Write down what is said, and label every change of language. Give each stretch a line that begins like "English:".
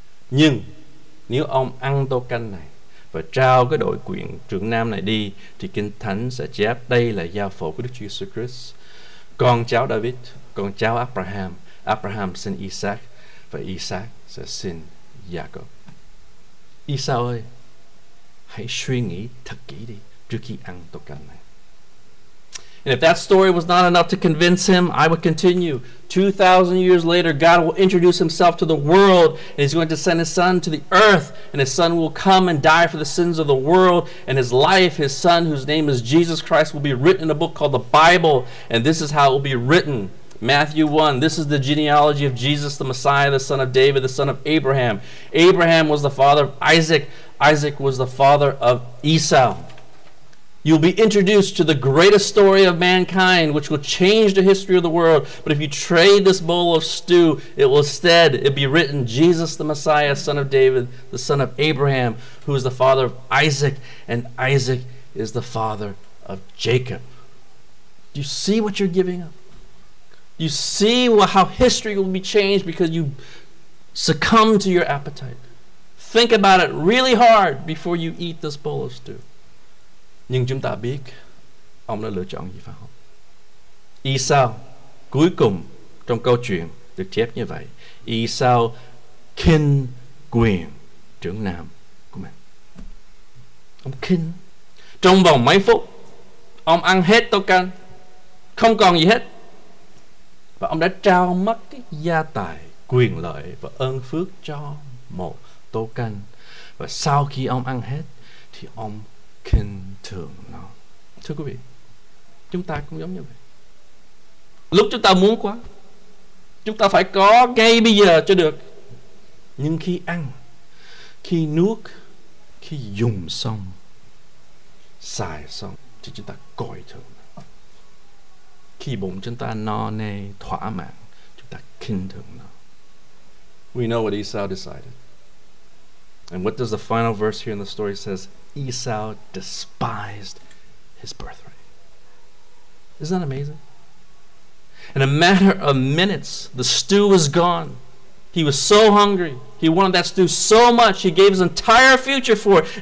Vietnamese: Nhưng nếu ông ăn tô canh này và trao cái đổi quyển Trường Nam này đi, thì Kinh Thánh sẽ chép đây là gia phổ của Đức Chúa Jesus Christ, con cháu David, con cháu Abraham, Abraham sinh Isaac, và Isaac sẽ sinh Jacob. Esau ơi, hãy suy nghĩ thật kỹ đi trước khi ăn tô canh này.
English: And if that story was not enough to convince him, I would continue. 2,000 years later, God will introduce himself to the world, and he's going to send his son to the earth, and his son will come and die for the sins of the world, and his life, his son, whose name is Jesus Christ, will be written in a book called the Bible, and this is how it will be written. Matthew 1, this is the genealogy of Jesus, the Messiah, the son of David, the son of Abraham. Abraham was the father of Isaac. Isaac was the father of Esau. You'll be introduced to the greatest story of mankind, which will change the history of the world. But if you trade this bowl of stew, it will instead be written, Jesus the Messiah, son of David, the son of Abraham, who is the father of Isaac, and Isaac is the father of Jacob. Do you see what you're giving up? Do you see how history will be changed because you succumb to your appetite? Think about it really hard before you eat this bowl of stew.
Vietnamese: Nhưng chúng ta biết ông đã lựa chọn gì phải không? Esau cuối cùng trong câu chuyện được chép như vậy: Esau khinh quyền trưởng nam của mình. Ông khinh. Trong vòng mấy phút ông ăn hết tô canh, không còn gì hết, và ông đã trao mất cái gia tài, quyền lợi và ơn phước cho một tô canh. Và sau khi ông ăn hết thì ông khinh thường nó. Thưa quý vị, chúng ta cũng giống như vậy. Lúc chúng ta muốn quá, chúng ta phải có ngay bây giờ cho được. Nhưng khi ăn, khi nuốt, khi dùng xong, xài xong, thì chúng ta coi thường nó. Khi bụng chúng ta no nê, thỏa mãn, chúng ta khinh thường nó.
English: We know what Esau decided. And what does the final verse here in the story says? Esau despised his birthright. Isn't that amazing? In a matter of minutes, the stew was gone. He was so hungry. He wanted that stew so much, he gave his entire future for it.